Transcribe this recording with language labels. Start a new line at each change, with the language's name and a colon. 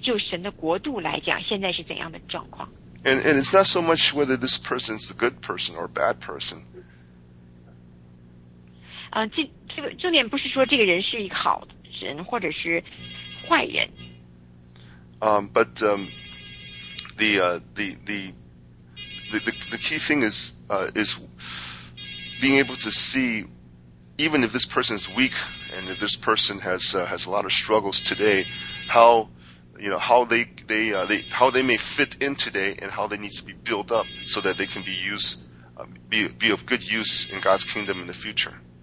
Chinese: 神肯明显的给我这样的一个恩赐，让我可以对人呢有这样的一个评估，以至于我可以知道他的心，或者他的这样的一个能力，就神的国度来讲，现在是怎样的状况。
English: And it's not so much whether this person is a good person or a bad person.
Chinese: 重点不是说这个人是一个好人或者是坏人。
English: But the key thing is being able to see, even if this person is weak and if this person has a lot of struggles today, how they may fit in today and how they need to be built up so that they can be used, be of good use in God's kingdom in the future.